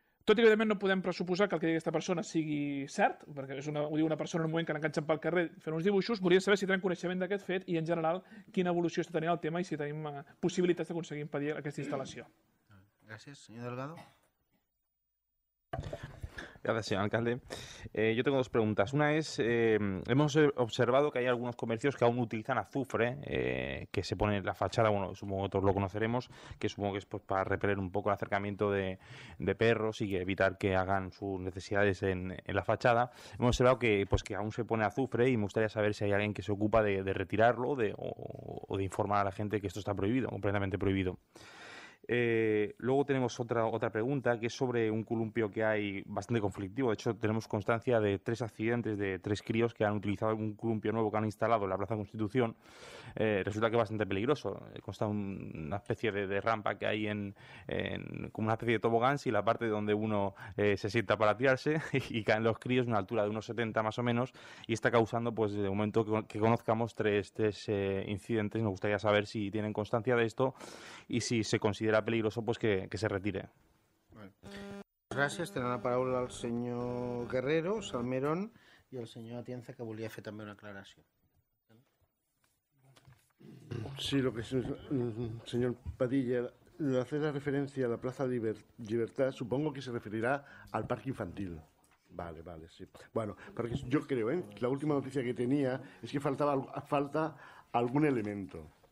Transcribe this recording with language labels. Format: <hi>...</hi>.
<ca>Tot i que, evidentment, no podem pressuposar que el que digui aquesta persona sigui cert, perquè és una, ho diu una persona en un moment que l'enganxen pel carrer fent uns dibuixos, volia saber si tenen coneixement d'aquest fet i, en general, quina evolució està tenint el tema i si tenim possibilitats d'aconseguir impedir aquesta instal·lació. Gràcies, senyor Delgado.</ca> <es>Gracias, señor alcalde. Yo tengo dos preguntas. Una es, hemos observado que hay algunos comercios que aún utilizan azufre, que se pone en la fachada, bueno, supongo que todos lo conoceremos, que supongo que es pues, para repeler un poco el acercamiento de perros y evitar que hagan sus necesidades en la fachada. Hemos observado que, pues, que aún se pone azufre y me gustaría saber si hay alguien que se ocupa de retirarlo o de informar a la gente que esto está prohibido, completamente prohibido. Luego tenemos otra pregunta que es sobre un columpio que hay bastante conflictivo. De hecho, tenemos constancia de tres accidentes de tres críos que han utilizado un columpio nuevo que han instalado en la Plaza Constitución. Resulta que es bastante peligroso. Consta una especie de rampa que hay en como una especie de tobogán, y la parte donde uno se sienta para tirarse y caen los críos a una altura de unos 70 más o menos y está causando, pues, de momento que conozcamos tres incidentes. Nos gustaría saber si tienen constancia de esto y si se considera era peligroso, pues que se retire.</es> <ca>Vale. Gràcies. Tenen la paraula el senyor Guerrero, Salmerón, i el senyor Atienza, que volia fer també una aclaració.</ca> <es>Sí, lo que es, señor Padilla, lo hace la referencia a la Plaza Libertad, supongo que se referirá al parque infantil. Vale, vale, sí. Bueno, porque yo creo, la última noticia que tenía es que falta algún elemento.</es>